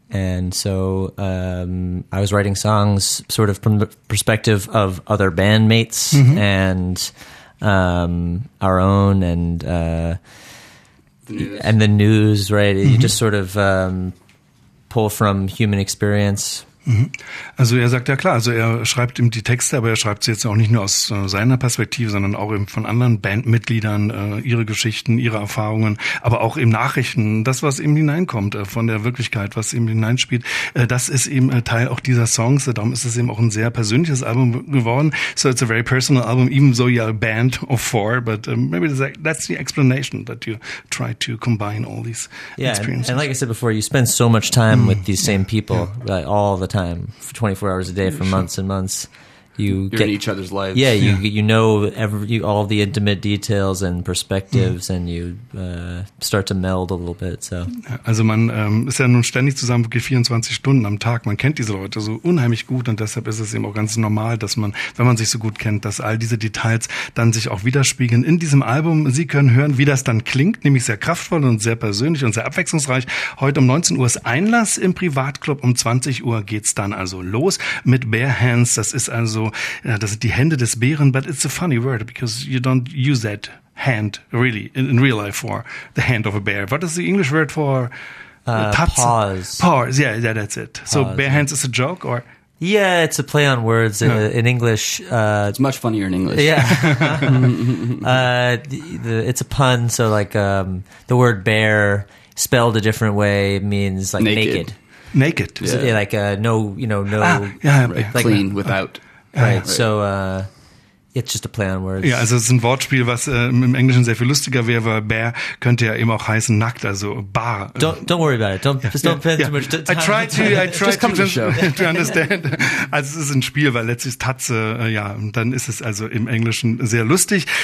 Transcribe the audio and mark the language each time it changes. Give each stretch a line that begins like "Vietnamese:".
English: And so I was writing songs sort of from the perspective of other bandmates and our own and the news, right? Mm-hmm. You just sort of pull from human experience.
German: Also er sagt, ja klar, also er schreibt ihm die Texte, aber er schreibt sie jetzt auch nicht nur aus seiner Perspektive, sondern auch eben von anderen Bandmitgliedern, ihre Geschichten, ihre Erfahrungen, aber auch eben Nachrichten, das, was eben hineinkommt von der Wirklichkeit, was eben hineinspielt, das ist eben Teil auch dieser Songs. Darum ist es eben auch ein sehr persönliches Album geworden.
English: So it's a very personal album, even though you're a band of four, but maybe that's the explanation that you try to combine all these experiences. And like I said before, you spend so much time with these same people, like all the time, for 24 hours a day, for months and months. You're in each other's lives. Yeah, all the intimate details and perspectives, and you start to meld a little bit. So.
German: Also man ist ja nun ständig zusammen, wirklich 24 Stunden am Tag. Man kennt diese Leute so unheimlich gut, und deshalb ist es eben auch ganz normal, dass man, wenn man sich so gut kennt, dass all diese Details dann sich auch widerspiegeln in diesem Album. Sie können hören, wie das dann klingt, nämlich sehr kraftvoll und sehr persönlich und sehr abwechslungsreich. Heute um 19 Uhr ist Einlass im Privatclub. Um 20 Uhr geht's dann also los mit Bare Hands. Das ist also das sind die Hände des Bären,
English: but it's a funny word because you don't use that hand really in real life for the hand of a bear. What is the English word for paws? Paws, yeah, that's it. Paws, so bear hands is a joke, or? Yeah, it's a play on words in English. It's much funnier in English. Yeah. it's a pun, so like the word bear spelled a different way means like naked. Naked. Yeah. So, like no. Right. Like, clean, without. Right, so it's just a play on words.
German: Ja, also es ist ein Wortspiel, was im Englischen sehr viel lustiger wäre, weil bear könnte ja eben auch heißen nackt, also bar.
English: Don't worry about it. Just don't pay too much attention to understand.
German: Also es ist ein Spiel, weil letztlich Tatze, ja, und dann ist es also im Englischen sehr lustig.